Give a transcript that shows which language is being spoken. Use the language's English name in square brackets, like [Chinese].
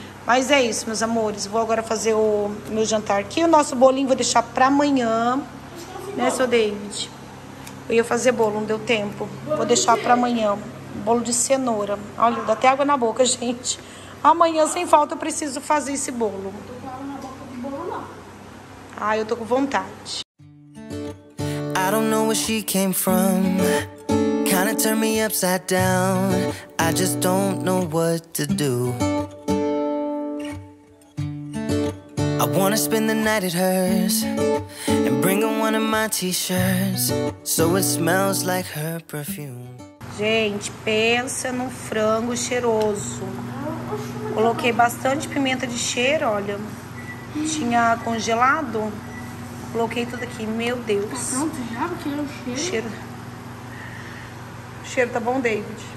[Portuguese] Mas é isso, meus amores. Vou agora fazer o meu jantar aqui. O nosso bolinho vou deixar pra amanhã. Né, seu David? Eu ia fazer bolo, não deu tempo. Vou deixar pra amanhã. Bolo de cenoura. Olha, dá até água na boca, gente. Amanhã, sem falta, eu preciso fazer esse bolo. [English] I don't know where she came from. Kinda turned me upside down. I just don't know what to do. I wanna spend the night at hers and bring her one of my t-shirts so it smells like her perfume. [Portuguese] Gente, pensa no frango cheiroso. Coloquei bastante pimenta de cheiro, olha. Tinha congelado. Coloquei tudo aqui, meu Deus. Tá pronto já? Porque é o cheiro. O cheiro tá bom, David?